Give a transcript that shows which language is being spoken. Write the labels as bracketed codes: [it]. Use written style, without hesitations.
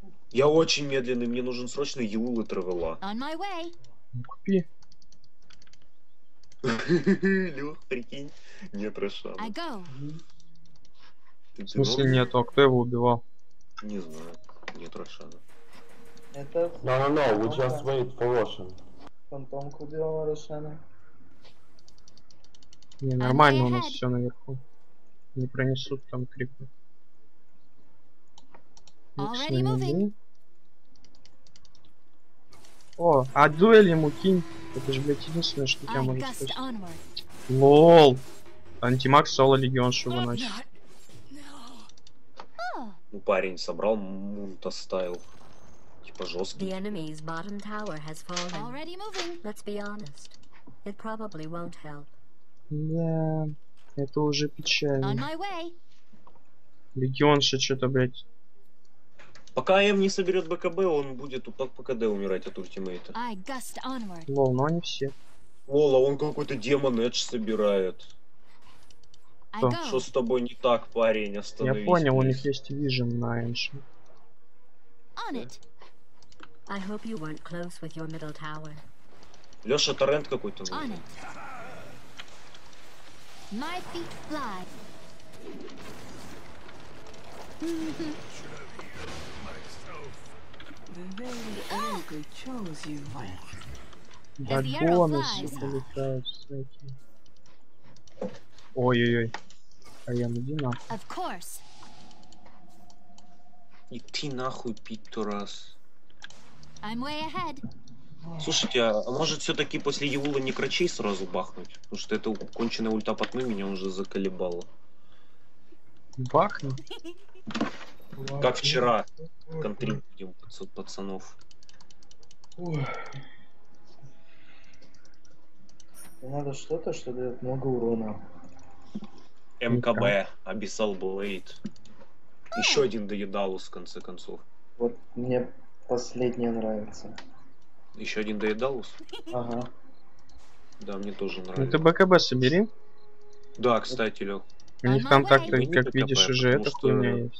[ru] Я очень медленный, мне нужен срочно Еул и Травела. Купи. Лёх, прикинь, нет Рошана. В смысле нет, а кто его убивал? Не знаю, нет Рошана. Это... [en] No, we just wait for Russian. [ru] Фантомка убивала Рошана. Не, нормально у нас все наверху. Не пронесут там крипы. О, а дуэль ему кинь. Это же, блядь, единственное, что тебя может спасти. Лол. Антимаг соло легион шуба ночи. Ну, парень собрал мунта стайл. Типа жесткий. [en] Yeah. [ru] Это уже печально. Легионша что-то, блядь. Пока АМ не соберет БКБ, он будет у ПКД умирать от ультимейта. Лол, но они все. Лол, а он какой-то демон эдж собирает. Что с тобой не так, парень? Остановись. Я понял, у них есть вижен на эдж. [en] I hope you weren't close with your middle tower. [ru] Лёша, торрент какой-то был. [en] My feet fly. [ru] Бальбоны все получаются эти. Ой-ой-ой. А я иди нахуй. Иди нахуй, Питу, раз. Слушайте, а может все-таки после Еула не крачей сразу бахнуть? Потому что это конченая ульта по тьме меня уже заколебала. Бахнуть? Как вчера контрим будем пацанов. Надо что-то, что дает много урона. МКБ, Abyssal Blade. Еще один доедалус в конце концов. Вот мне последнее нравится. Еще один доедалус? Ага. Да, мне тоже нравится. Ну ты БКБ собери. Да, кстати, Лёх. У них там как-то, как видишь, уже это что у меня есть.